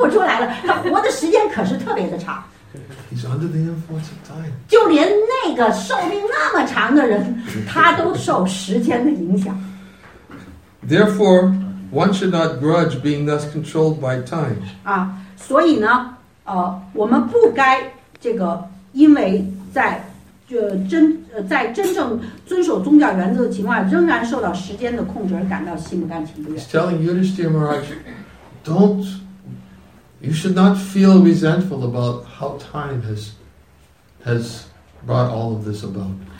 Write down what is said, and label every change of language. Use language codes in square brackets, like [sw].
[zh] 我们得用黑板算了，我说不出来了，他活的时间可是特别的长。 [en] He's under the influence of time. [zh] 就连那个寿命那么长的人，他都受时间的影响。 [en] Therefore, one should not grudge being thus controlled by time. [zh] 所以呢，我们不该这个因为在真正遵守宗教原则的情况下，仍然受到时间的控制而感到心不甘情不愿。 [en] He's telling Yudhishthira Maharaj, don't. You should not feel resentful about how time has brought all of this about.